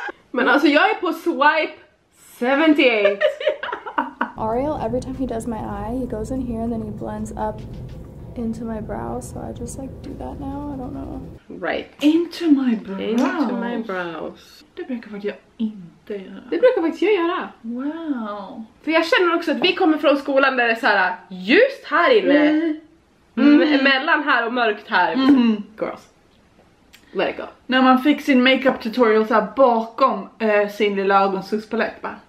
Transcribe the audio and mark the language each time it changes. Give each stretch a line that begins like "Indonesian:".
Swedish: Men alltså jag är på swipe 78.
English: Ariel, every time he does my eye, he goes in here and then he blends up into my brow, so I just like do that now, I don't know. Right. Into my brows. Into my brows.
Swedish: Det brukar faktiskt jag inte göra. Det brukar faktiskt jag göra.
English: Wow.
Swedish: För jag känner också att vi kommer från skolan där det är så här ljust här inne. Mellan här och mörkt här.
English: Girls. Let it go.
Swedish: När man fick sin makeup tutorial så här bakom sin lilla ögonsuspalett, va?